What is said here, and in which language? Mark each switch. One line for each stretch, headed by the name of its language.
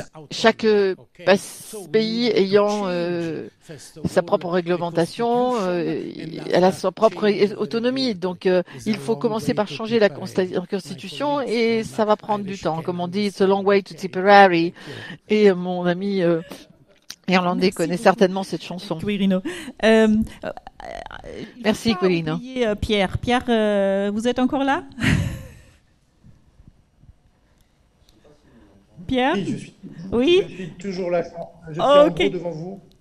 French: chaque pays ayant sa propre réglementation, elle a sa propre autonomie. Donc il faut commencer par changer la constitution et ça va prendre du temps. Comme on dit,
English: it's a long way to Tipperary.
French: Et mon ami Irlandais connaît certainement cette chanson. Quirino. Merci, Quirino. Pierre. Pierre, vous êtes encore là? Pierre? Oui, je suis toujours là. Je suis okay. En gros devant vous.